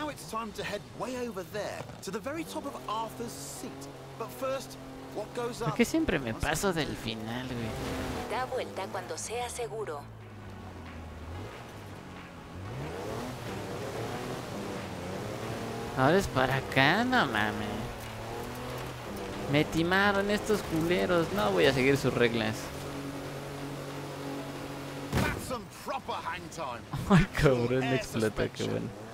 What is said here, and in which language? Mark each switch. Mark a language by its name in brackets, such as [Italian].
[English] Time to head way over there to the very top of Arthur's seat. But first, what goes up? [Spanish] ¿Por qué siempre me paso del final, güey? Da vuelta cuando sea seguro. Ahora es para acá, no mames. Me timaron estos culeros. No voy a seguir sus reglas. [English] That's some proper hang time. [Spanish] Ay, cabrón, explota, qué bueno.